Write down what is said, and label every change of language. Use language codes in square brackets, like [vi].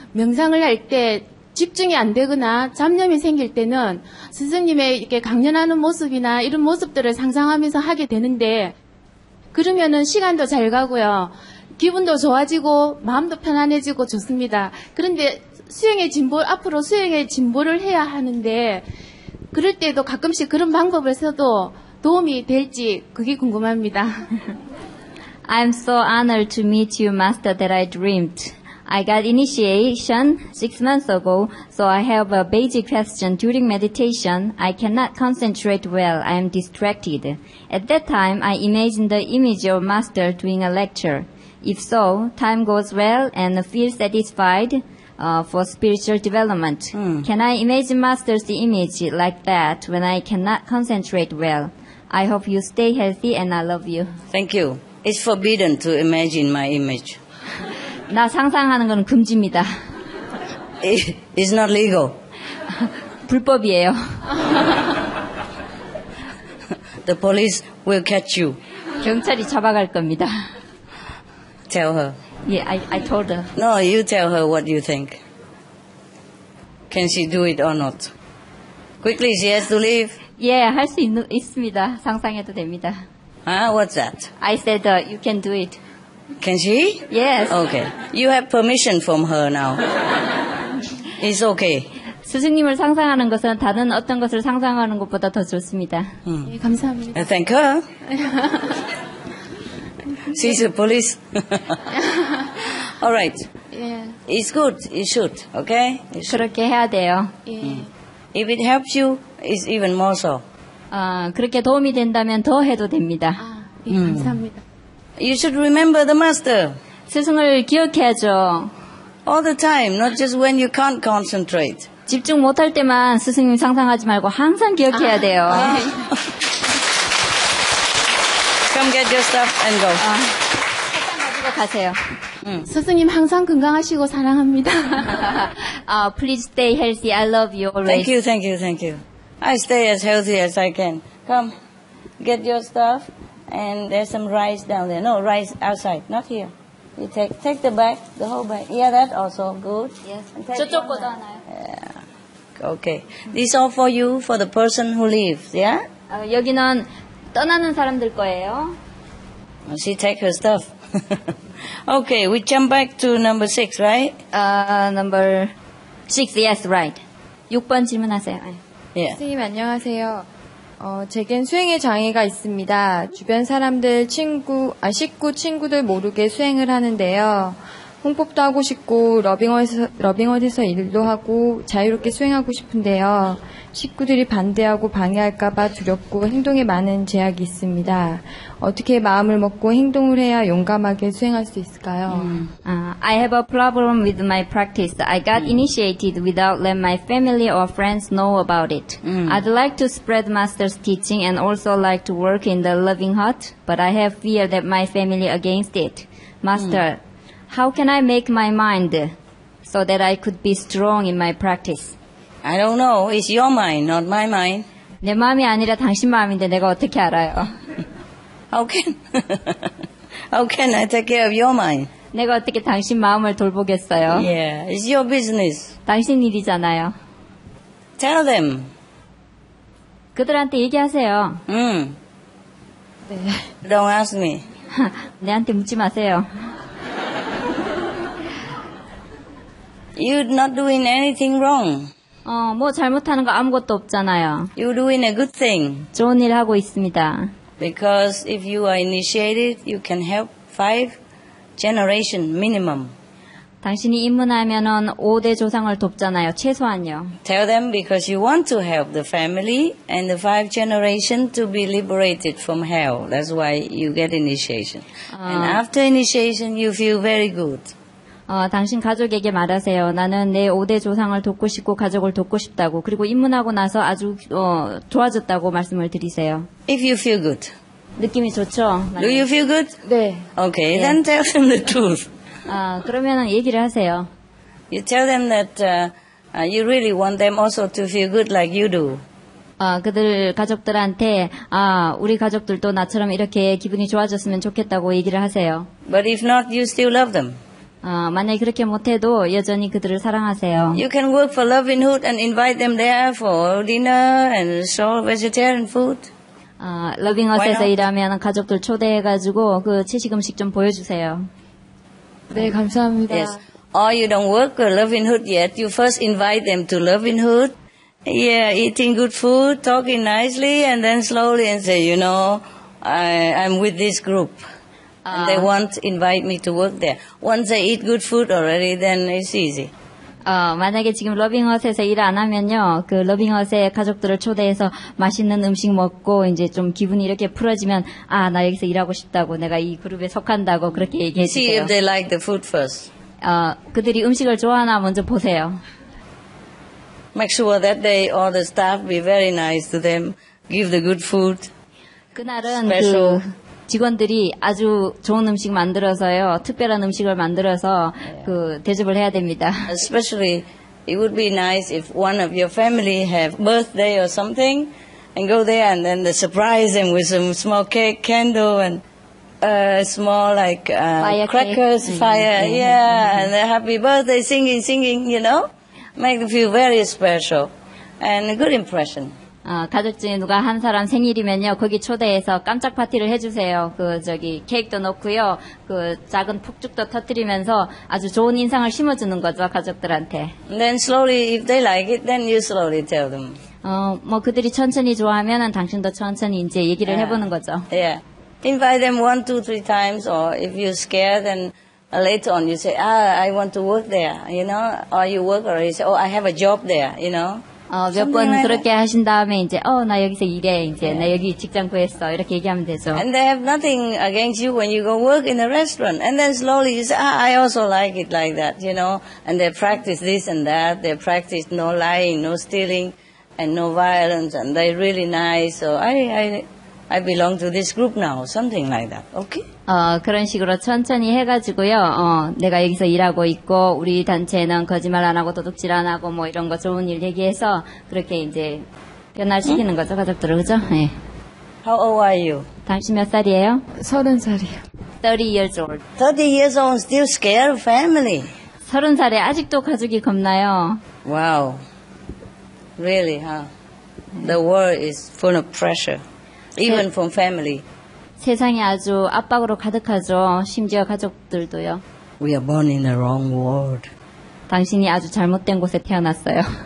[ko] 명상을 할 때 집중이 안 되거나 잡념이 생길 때는 스승님의 이렇게 강연하는 모습이나 이런 모습들을 상상하면서 하게 되는데 그러면은 시간도 잘 가고요. 기분도 좋아지고 마음도 편안해지고 좋습니다. 그런데 수행의 진보, 앞으로 수행의 진보를 해야 하는데 그럴 때도 가끔씩 그런 방법을 써도 도움이 될지 그게 궁금합니다. [en] I'm so honored to meet you, Master, that I dreamed. I got initiation 6 months ago, so I have a basic question. During meditation, I cannot concentrate well. I am distracted. At that time, I imagined the image of Master doing a lecture. If so, time goes well and feel satisfied for spiritual development. Mm. Can I imagine Master's image like that when I cannot concentrate well? I hope you stay healthy and I love you. Thank you. It's forbidden to imagine my image. [ko] 나 상상하는 건 금지입니다. [en] It's not legal. [ko] 불법이에요. [en] The police will catch you. [ko] 경찰이 잡아갈 겁니다. [en] Tell her. Yeah, I told her. No, you tell her what you think. Can she do it or not? Quickly, she has to leave. [ko] Yeah, 할 수 있습니다. 상상해도 됩니다. [en] What's that? I said you can do it. Can she? Yes. Okay. You have permission from her now. It's okay. [ko] 스승님을 상상하는 것은 다른 어떤 것을 상상하는 것보다 더 좋습니다. 네, 감사합니다. [en] Thank her. She's a police. All right. Yeah. It's good. You should. Okay? You should. [ko] 그렇게 해야 돼요. 예. [en] If it helps you, it's even more so. [ko] 아, 그렇게 도움이 된다면 더 해도 됩니다. 아, 예, 감사합니다. [en] You should remember the master. [ko] 스승을 기억해야죠. [en] All the time, not just when you can't concentrate. [ko] 집중 못할 때만 스승님 상상하지 말고 항상 기억해야 돼요. 아. [en] Come get your stuff and go. 아. [ko] 가세요. 스승님 항상 건강하시고 사랑합니다. [en] please stay healthy. I love you always. Thank you, thank you, thank you. I stay as healthy as I can. Come, get your stuff. And there's some rice down there. No, rice outside, not here. You take the bag, the whole bag. Yeah, that also good. [ko] Yes. 저쪽 것도 하나요. [en] Yeah. Okay. This all for you, for the person who leaves. Yeah. [ko] 여기는 떠나는 사람들 거예요. [en] She take her stuff. Okay, we jump back to number six, right? Number six, yes, right. [ko] 6번 질문하세요. Yeah. 선생님, 안녕하세요. 제겐 수행의 장애가 있습니다. 주변 사람들, 식구, 친구들 모르게 수행을 하는데요. 홍법도 하고 싶고, 러빙원에서 일도 하고, 자유롭게 수행하고 싶은데요. 식구들이 반대하고 방해할까봐 두렵고 행동에 많은 제약이 있습니다. 어떻게 마음을 먹고 행동을 해야 용감하게 수행할 수 있을까요? [en] I have a problem with my practice. I got initiated without letting my family or friends know about it. I'd like to spread master's teaching and also like to work in the loving heart, but I have fear that my family against it. Master, how can I make my mind so that I could be strong in my practice? I don't know. It's your mind, not my mind. [ko] 내 마음이 아니라 당신 마음인데 내가 어떻게 알아요? [en] How can I take care of your mind? [ko] 내가 어떻게 당신 마음을 돌보겠어요? [en] Yeah, it's your business. [ko] 당신 일이잖아요. [en] Tell them. [ko] 그들한테 얘기하세요. [en] 네. Don't ask me. [ko] 내한테 묻지 마세요. [en] You're not doing anything wrong. [ko] 뭐 잘못하는 거 아무것도 없잖아요. [en] You're doing a good thing. [ko] 좋은 일 하고 있습니다. [en] Because if you are initiated, you can help 5 generations minimum. [ko] 당신이 입문하면은 5대 조상을 돕잖아요. 최소한요. [en] Tell them because you want to help the family and the 5 generations to be liberated from hell. That's why you get initiation. And after initiation, you feel very good. [ko] 당신 가족에게 말하세요. 나는 내 5대 조상을 돕고 싶고 가족을 돕고 싶다고. 그리고 입문하고 나서 아주 좋아졌다고 말씀을 드리세요. [en] If you feel good. [ko] 느낌이 좋죠? [en] Do you feel good? [ko] 네. [en] Okay, yeah. Then tell them the truth. [ko] 그러면 얘기를 하세요. [en] You tell them that you really want them also to feel good like you do. [ko] 그들 가족들한테 우리 가족들도 나처럼 이렇게 기분이 좋아졌으면 좋겠다고 얘기를 하세요. [en] But if not, you still love them. [ko] 만약 그렇게 못해도 여전히 그들을 사랑하세요. [en] You can work for Loving Hood and invite them there for dinner and show vegetarian food. [ko] Loving Hood에서 일하면 가족들 초대해가지고 그 채식 음식 좀 보여주세요. 네, 감사합니다. [en] Yes. Or you don't work for Loving Hood yet. You first invite them to Loving Hood. Yeah, eating good food, talking nicely, and then slowly and say, you know, I'm with this group. And they won't invite me to work there. Once I eat good food already, then it's easy. [ko] 만약에 지금 러빙헛에서 일 안 하면요, 그 러빙헛의 가족들을 초대해서 맛있는 음식 먹고 이제 좀 기분이 이렇게 풀어지면 아, 나 여기서 일하고 싶다고 내가 이 그룹에 속한다고 그렇게 얘기해 주세요. [en] See if they like the food first. [ko] 그들이 음식을 좋아하나 먼저 보세요. [en] Make sure that day all the staff be very nice to them. Give the good food. [ko] 그날은 [en] special. [ko] 직원들이 아주 좋은 음식 만들어서요, 특별한 음식을 만들어서 그 대접을 해야 됩니다. [en] Especially, it would be nice if one of your family have birthday or something, and go there and then they surprise them with some small cake, candle, and small like crackers, fire, yeah, and happy birthday, singing, you know, make them feel very special and a good impression. [ko] 가족 중에 누가 한 사람 생일이면요, 거기 초대해서 깜짝 파티를 해주세요. 케이크도 넣고요, 그 작은 폭죽도 터뜨리면서 아주 좋은 인상을 심어주는 거죠, 가족들한테. [en] Then slowly, if they like it, then you slowly tell them. [ko] 그들이 천천히 좋아하면 당신도 천천히 이제 얘기를 해보는 거죠. [en] Yeah. Invite them 1, 2, 3 times, or if you're scared, then later on you say, ah, I want to work there, you know, or you work or you say, oh, I have a job there, you know. [ko] 몇 번 그렇게 하신 다음에 이제 어 나 여기서 일해 이제 yeah. 나 여기 직장 구했어 이렇게 얘기하면 되죠. [en] And they have nothing against you when you go work in a restaurant. And then slowly you say, ah, I also like it like that, you know. And they practice this and that. They practice no lying, no stealing, and no violence. And they're really nice. So I belong to this group now. Something like that. Okay. [ko] 그런 식으로 천천히 해가지고요. 내가 여기서 일하고 있고 우리 단체는 거짓말 안 하고 도둑질 안 하고 뭐 이런 거 좋은 일 얘기해서 그렇게 이제 변화시키는 응? 거죠 가족들을 그죠? 예. [en] How old are you? [ko] 당신 몇 살이에요? 서른 살이요. [en] 30 years old. 30 years old still scared of family. [ko] 서른 살에 아직도 가족이 겁나요. [en] Wow. Really, huh? The world is full of pressure, even from family. [ko] 세상이 아주 압박으로 가득하죠. 심지어 가족들도요. [en] We are born in a wrong world. [ko] 당신이 아주 잘못된 곳에 태어났어요.